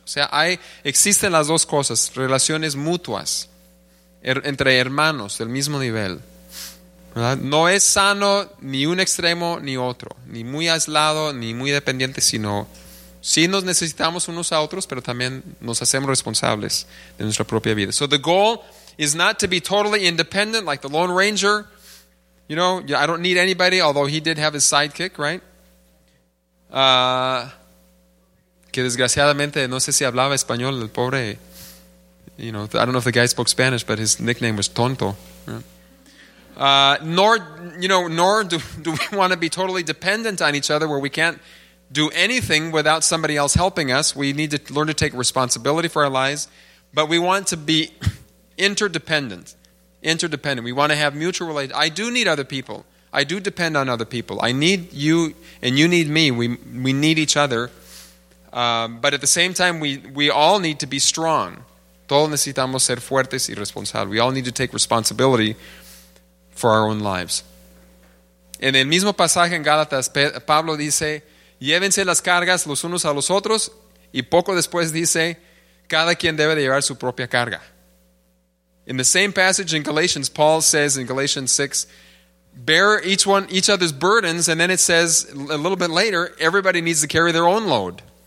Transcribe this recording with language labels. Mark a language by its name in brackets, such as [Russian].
[Spanish] O sea, existen las dos cosas, relaciones mutuas entre hermanos del mismo nivel, ¿verdad? No es sano ni un extremo ni otro, ni muy aislado ni muy dependiente, sino sí nos necesitamos unos a otros, pero también nos hacemos responsables de nuestra propia vida. [English] So the goal is not to be totally independent like the Lone Ranger. You know, I don't need anybody, although he did have his sidekick, right? [Spanish] Que desgraciadamente no sé si hablaba español el pobre. [English] You know, I don't know if the guy spoke Spanish, but his nickname was Tonto. Nor do we want to be totally dependent on each other, where we can't do anything without somebody else helping us. We need to learn to take responsibility for our lives, but we want to be interdependent. Interdependent. We want to have mutual relations. I do need other people. I do depend on other people. I need you, and you need me. We need each other. But at the same time, we all need to be strong. [Spanish] Todos necesitamos ser fuertes y responsables. [English] We all need to take responsibility for our own lives. [Spanish] En el mismo pasaje en Gálatas, Pablo dice, llévense las cargas los unos a los otros, y poco después dice, cada quien debe de llevar su propia carga. [English] In the same passage in Galatians, Paul says in Galatians 6, bear each other's burdens, and then it says a little bit later, everybody needs to carry their own load.